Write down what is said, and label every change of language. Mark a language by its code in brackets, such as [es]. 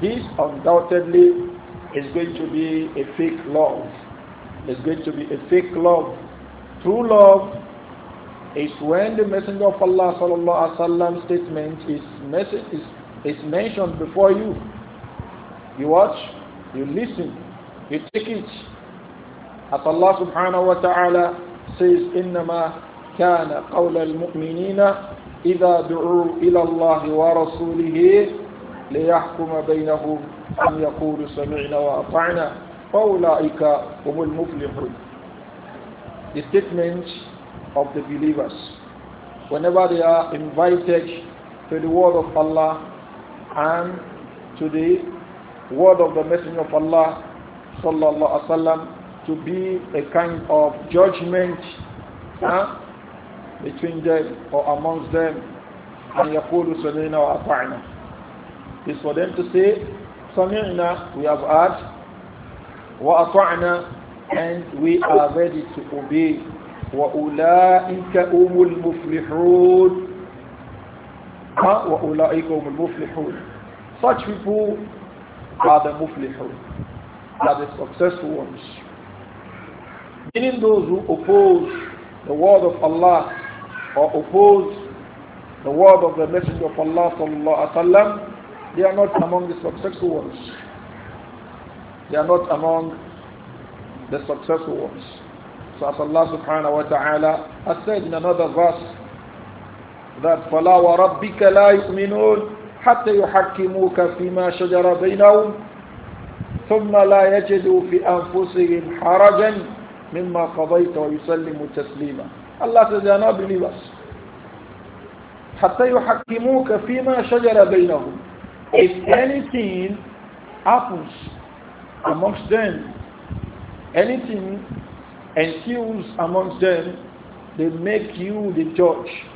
[en] This undoubtedly is going to be a fake love. It's going to be a fake love. True love is when the Messenger of Allah sallallahu alaihi wasallam statement is mentioned before you. You watch, you listen, you take it. As Allah subhanahu wa ta'ala says, [ar] إِنَّمَا كَانَ قَوْلَ الْمُؤْمِنِينَ إِذَا دُعُوا إِلَى اللَّهِ وَرَسُولِهِ لِيَحْكُمَ بَيْنَهُمْ أَنْ يَقُولُ سَمِعْنَا وَأَطَعْنَا فَأُولَئِكَ هُمُ الْمُفْلِحُونَ. [en] The statement of the believers, whenever they are invited to the word of Allah and to the word of the Messenger of Allah sallallahu alaihi wasallam, to be a kind of judgment between them or amongst them, and [ar] يَقُولُ سَمِعْنَا وَأَطَعْنَا. [en] It's for them to say, [ar] سَمِعْنَا, [en] we have heard, [ar] وَأَطَعْنَا, [en] and we are ready to obey. [ar] وَأُولَٰئِكَ هُمُ الْمُفْلِحُونَ. وَأُولَٰئِكَ هُمُ الْمُفْلِحُونَ. [en] Such people are the مُفْلِحُونَ, are the successful ones. Meaning those who oppose the word of Allah or oppose the word of the Messenger of Allah sallallahu alaihi wasallam, they are not among the successful ones. They are not among the successful ones. So as Allah subhanahu wa ta'ala has said in another verse, that [ar] فَلَا وَرَبِّكَ لَا يُؤْمِنُونَ حَتَّى يُحَكِّمُوكَ فِيمَا شَجَرَ بَيْنَهُمْ ثُمَّ لَا يَجِدُوا فِي أَنفُسِهِمْ حَرَجًا مِمَّا قَضَيْتَ وَيُسَلِّمُ تَسْلِيمًا. [en] Allah says, they are not believers. [ar] حَتَّى يُحَكِّمُوكَ فِيمَا شَجَرَ بَيْنَهُمْ. [en] If anything happens amongst them, anything ensues amongst them, they make you the judge.